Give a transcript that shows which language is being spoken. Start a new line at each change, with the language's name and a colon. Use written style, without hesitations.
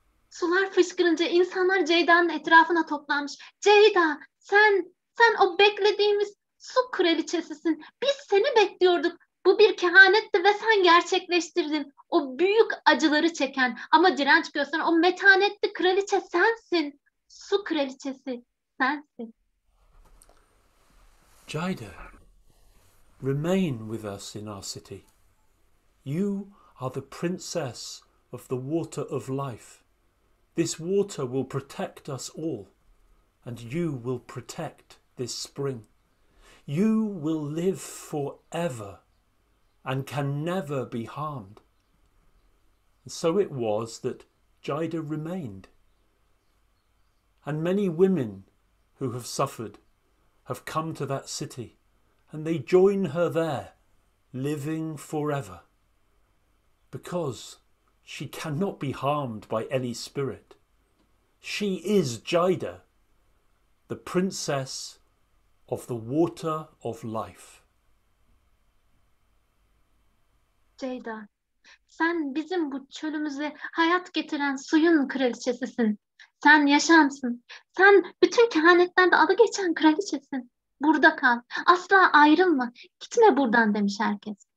Turkish: Sular fışkırınca insanlar Ceyda'nın etrafına toplanmış. Ceyda, sen o beklediğimiz su kraliçesisin. Biz seni bekliyorduk. Bu bir kehanetti ve sen gerçekleştirdin. O büyük acıları çeken ama direnç gösteren o metanetli kraliçe sensin. Su kraliçesi sensin.
English: Ceyda, remain with us in our city. You are the princess of the water of life. This water will protect us all, and you will protect this spring. You will live forever and can never be harmed. And so it was that Ceyda remained. And many women who have suffered have come to that city, and they join her there, living forever, because she cannot be harmed by any spirit. She is Ceyda, the princess of the water of life.
Turkish: Ceyda, sen bizim bu çölümüze hayat getiren suyun kraliçesisin. Sen yaşamsın. Sen bütün kehanetlerde adı geçen kraliçesin. Burada kal, asla ayrılma, gitme buradan demiş herkes.